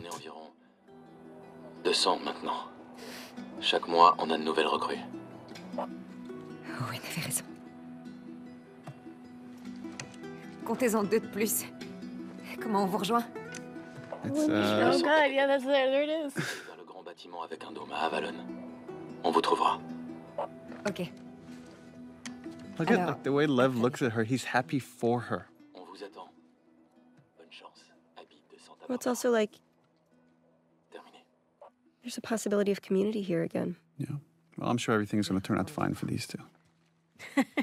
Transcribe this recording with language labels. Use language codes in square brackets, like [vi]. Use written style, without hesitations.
[fr] On est environ 200 maintenant. Chaque mois, on a de nouvelles recrues. Oui, t'avais raison. Comptez-en deux de plus. Comment on vous rejoint? [en] Oh god, yeah, that's there, there it is. [fr] Dans le grand bâtiment avec un dôme à Avalon. On vous trouvera. Ok. [en] Look at the way Lev looks at her. He's happy for her. [fr] On vous attend. Bonne chance. Habite de Santa [en] Barbara. Well, it's also like... [fr] Terminé. [en] There's a possibility of community here again. Yeah. Well, I'm sure everything's going to turn out fine for these two.